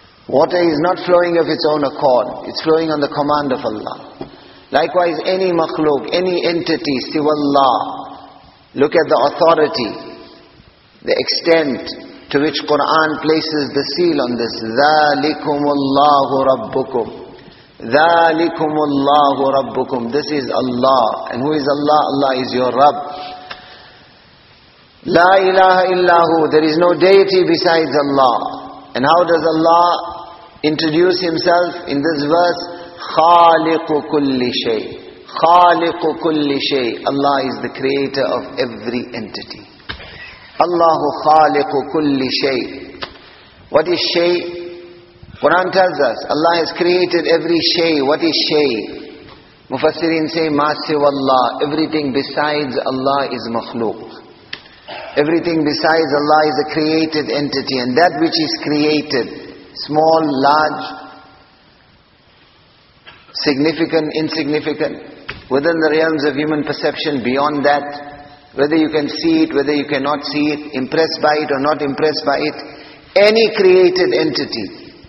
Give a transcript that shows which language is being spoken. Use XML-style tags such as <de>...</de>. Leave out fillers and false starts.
<en>Water is not flowing of its own accord. It's flowing on the command of Allah. Likewise, any makhluk, any entity, siwallah, look at the authority, the extent to which Quran places the seal on this.</en> <ar>ذَلِكُمُ اللَّهُ رَبُّكُمْ ذَٰلِكُمُ اللَّهُ رَبُّكُمْ</ar> <en>This is Allah. And who is Allah? Allah is your Rabb.</en> <ar>لَا إِلَٰهَ إِلَّا هُ</ar> <en>There is no deity besides Allah. And how does Allah introduce Himself in this verse?</en> <ar>خَالِقُ كُلِّ شَيْءٍ خالق كل شيء.</ar> <en>Allah is the creator of every entity.</en> <ar>Allah خالق كل شيء.</ar> <en>What is شيء? Quran tells us, Allah has created every شيء. What is شيء? Mufassirin say,</en> <ar>ما سوى الله.</ar> <en>Everything besides Allah is مخلوق. Everything besides Allah is a created entity, and that which is created, small, large, significant, insignificant, within the realms of human perception, beyond that, whether you can see it, whether you cannot see it, impressed by it or not impressed by it, any created entity,</en>